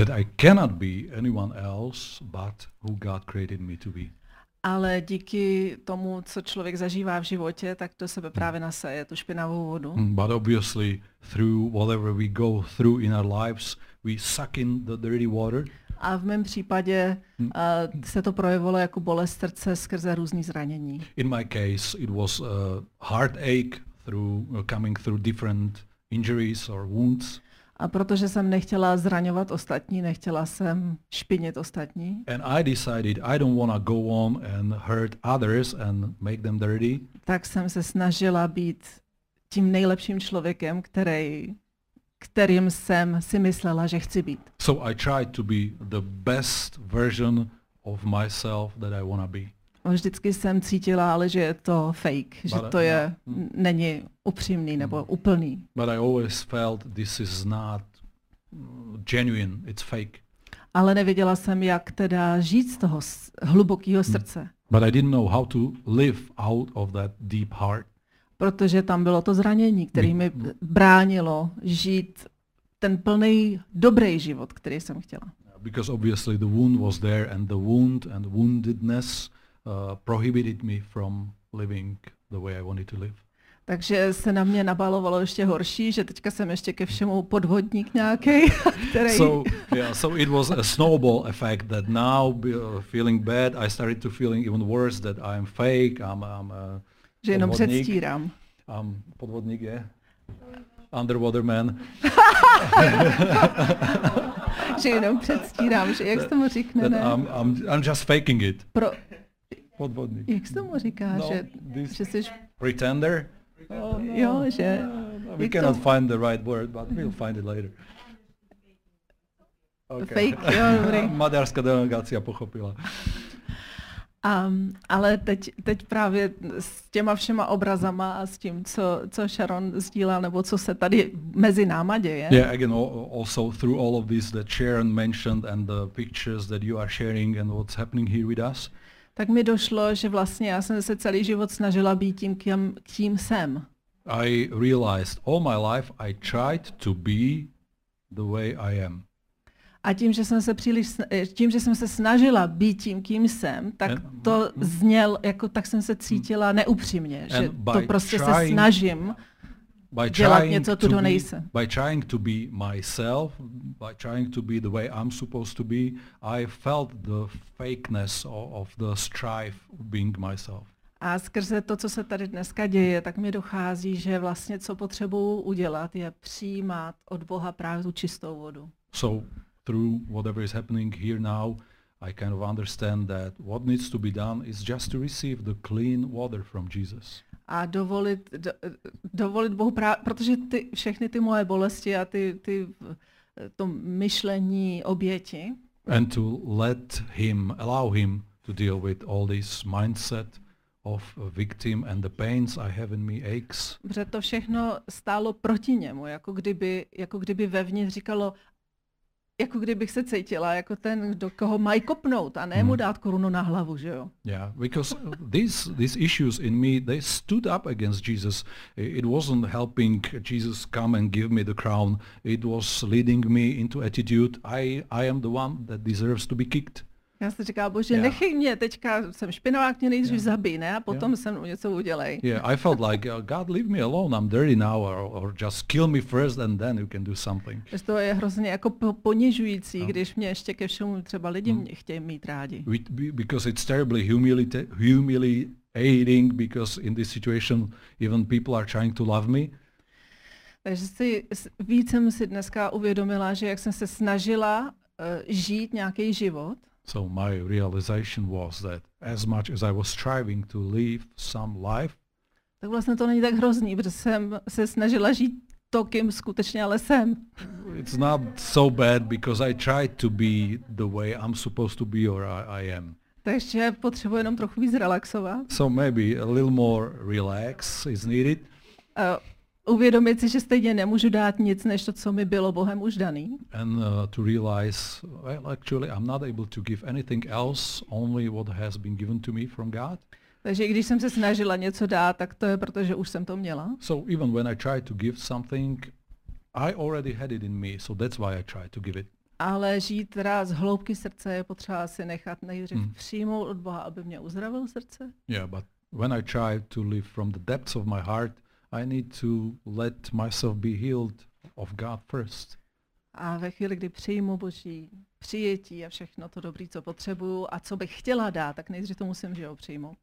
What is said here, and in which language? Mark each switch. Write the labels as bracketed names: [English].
[English] That I cannot be anyone else but who God created me to be. [Czech] Ale díky tomu, co člověk zažívá v životě, tak to sebe právě nasaje tu špinavou vodu. [English] But obviously through whatever we go through in our lives, we suck in the dirty water. [Czech] A v mém případě se to projevilo jako bolest srdce skrze různý zranění. [English] In my case it was a heartache through coming through different injuries or wounds. [Czech] A protože jsem nechtěla zraňovat ostatní, nechtěla jsem špinit ostatní. [English] And I decided I don't want to go on and hurt others and make them dirty. [Czech] Tak jsem se snažila být tím nejlepším člověkem, kterým jsem si myslela, že chci být. [English] So I tried to be the best version of myself that I want to be. [Czech] Vždycky jsem cítila, ale že je to fake, že to je není upřímný nebo úplný. [English] But I always felt this is not genuine, it's fake. [Czech] Ale nevěděla jsem, jak teda žít z toho hlubokého srdce. [English] But I didn't know how to live out of that deep heart. [Czech] Protože tam bylo to zranění, které mi bránilo žít ten plný dobrý život, který jsem chtěla. [English] Because obviously the wound was there and the wound and woundedness prohibited me from living the way I wanted to live. [Czech] Takže se na mě nabalovalo ještě horší, že teďka jsem ještě ke všemu podvodník nějaký, který. [English] So yeah, so it was a snowball effect that now feeling bad, I started to feeling even worse that I'm fake, I'm a [Czech] že jenom předstírám. Podvodník je [English] underwater man. [Czech] Že jenom předstírám, že jak se tomu říkne, ne? [English] I'm just faking it. Pro [Czech] podvodník. Jak se tomu říká, no, že [English] this [Czech] že jsi [English] pretender? Oh, no. Jo, že. We cannot find the right word, but we'll find it later. [Czech] Okay. Fake, jo, dobrý. [Slovak] Maďarská delegácia pochopila. [Czech] Ale teď právě s těma všema obrazama a s tím, co Sharon sdílá, nebo co se tady mezi náma děje. [English] Yeah, again, also through all of this that Sharon mentioned and the pictures that you are sharing and what's happening here with us. [Czech] Tak mi došlo, že vlastně já jsem se celý život snažila být tím, kým jsem. [English] I realized all my life I tried to be the way I am. [Czech] A tím, že jsem se snažila být tím, kým jsem, tak to zněl, jako tak jsem se cítila neupřímně, že to prostě se snažím dělat něco, co nejsem. [English] By trying to be myself, by trying to be the way I'm supposed to be, I felt the fakeness of the strife being myself. [Czech] A skrze to, co se tady dneska děje, tak mi dochází, že vlastně co potřebuju udělat, je přijímat od Boha právě tu čistou vodu. [English] So through whatever is happening here now, I kind of understand that what needs to be done is just to receive the clean water from Jesus. [Czech] A dovolit Bohu, protože všechny ty moje bolesti a ty to myšlení oběti. [English] And to let him, allow him to deal with all this mindset of a victim and the pains I have in me, aches. [Czech] Protože to všechno stálo proti němu, jako kdyby vevnitř říkalo, jako kdybych se cítila jako ten, do koho mají kopnout a ne mu dát korunu na hlavu, že jo? [English] Yeah, because these issues in me, they stood up against Jesus. It wasn't helping Jesus come and give me the crown. It was leading me into attitude. I am the one that deserves to be kicked. [Czech] Já jsem říkala, Bože, nechej mě, teďka jsem špinavák, mě nejdřív zabij, ne? A potom se mnou něco udělej. [English] Yeah, I felt like, God, leave me alone, I'm dirty now, or just kill me first and then you can do something. [Czech] To je hrozně jako ponižující, když mě ještě ke všemu třeba lidi mě chtějí mít rádi. [English] Because it's terribly humiliating, because in this situation even people are trying to love me. [Czech] Takže víc jsem si dneska uvědomila, že jak jsem se snažila žít nějaký život. [English] So my realization was that as much as I was striving to live some life, [Czech] tak vlastně to není tak hrozný, protože jsem se snažila žít to, kým skutečně ale jsem. [English] It's not so bad because I tried to be the way I'm supposed to be or I am. [Czech] Takže potřebuji jenom trochu víc relaxovat. [English] So maybe a little more relax is needed. [Czech] Uvědomit si, že stejně nemůžu dát nic, než to, co mi bylo Bohem už daný. [English] And to realize, well, actually I'm not able to give anything else, only what has been given to me from God. [Czech] Takže když jsem se snažila něco dát, tak to je proto, že už jsem to měla. [English] So even when I tried to give something, I already had it in me, so that's why I tried to give it. [Czech] Ale žít teda z hloubky srdce je potřeba si nechat nejdřív přijmout od Boha, aby mě uzdravil srdce. [English] Yeah, but when I tried to live from the depths of my heart, I need to let myself be healed of God first. [Czech] A ve chvíli, kdy přijmu Boží přijetí a všechno to dobré, co potřebuju a co bych chtěla dát, tak nejdřív to musím, že jo, přijmout.